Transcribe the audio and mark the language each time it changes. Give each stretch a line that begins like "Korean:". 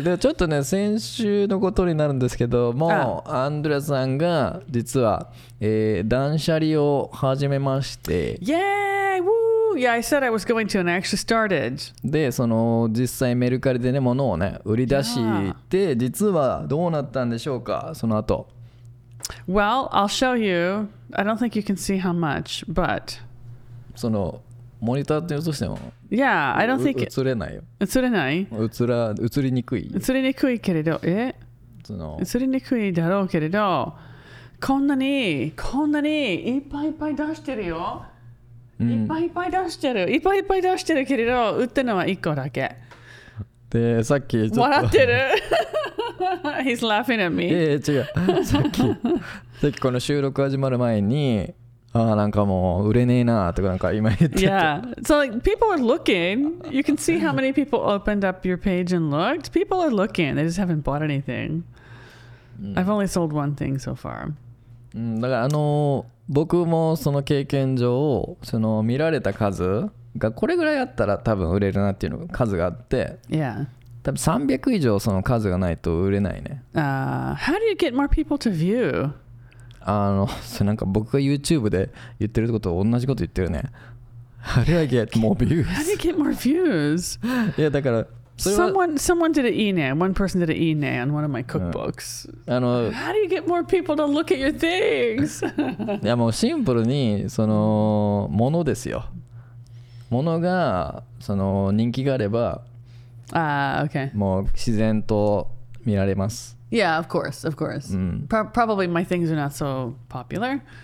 Japanese: でちょっとね、先週のことになるんですけども、アンドレアさんが実は、断捨離を始めまして。
English: Yay! Woo! Yeah, I said I was going to, and I actually started.
Japanese: で、その実際メルカリでね、物をね、売り出して、実はどうなったんでしょうか、その後。
English: Well, I'll show you. I don't think you can see how much, but...
Japanese: そのモニターで映しても
English: Yeah, I don't think...
Japanese: 映れないよ。映れない？映りにくい。映りにくいけれど、え？その映りにくいだろうけれど、こんなにいっぱいいっぱい出してるよ。いっぱいいっぱい出してる。いっぱいいっぱい出してるけれど、売ってるのは1個だけ。で、さっきちょっと笑ってる。
English: He's laughing at me.
Japanese: いや、違う。さっきこの収録始まる前に、ああなんかもう売れねえなとかなんか今言ってた。
English: Yeah. So like, people are looking. You can see how many people opened up your page and looked. People are looking. They just haven't bought anything. I've only sold one thing so far.
Japanese: だから僕もその経験上、その見られた数がこれぐらいあったら多分売れるなっていうの数があって。
English: Yeah.
Japanese: 多分300以上その数がないと売れないね。
English: How do you get more people to view?
Japanese: それなんか僕が YouTube で言ってることと同じこと言ってるね。
English: How do I get more views? How do you get more views?
Japanese: いやだから
English: Someone did an e-ne. One person did an e-ne on one of my cookbooks. How do you get more people to look at your things?
Japanese: いやもうシンプルにそのものですよ。ものがその人気があれば
English: Okay.
Japanese: もう自然と見られます。
English: Yeah, of course, of course.、Probably my things are not so popular.